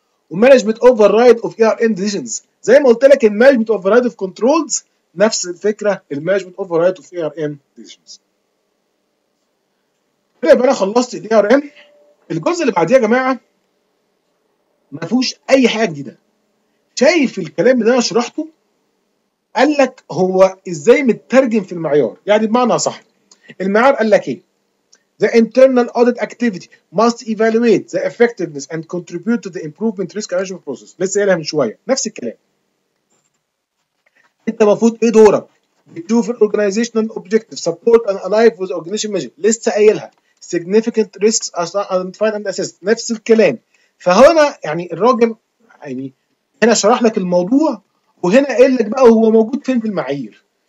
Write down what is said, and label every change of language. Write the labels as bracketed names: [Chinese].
[Arabic] ومانجمنت اوفر رايد اوف اي ار ان ديشنز، زي ما قلت لك المانجمنت اوفر رايد اوف كنترولز نفس الفكره، المانجمنت اوفر رايد اوف اي ار ان ديشنز. طيب انا خلصت الاي ار ان. الجزء اللي بعديه يا جماعه ما فيهوش اي حاجه جديده. شايف الكلام اللي انا شرحته؟ قال لك هو ازاي مترجم في المعيار. يعني بمعنى صح، المعيار قال لك ايه؟ [English] The internal audit activity must evaluate the effectiveness and contribute to the improvement risk management process. [Arabic] لسه قايلها من شويه نفس الكلام. انت المفروض ايه دورك؟ بتشوف [English] organizational objective support and align with organization mission. [Arabic] لسه قايلها [English] significant risks identified and assessed. [Arabic] نفس الكلام. فهنا يعني الراجل يعني هنا شرح لك الموضوع، وهنا قال لك بقى هو موجود فين في المعايير.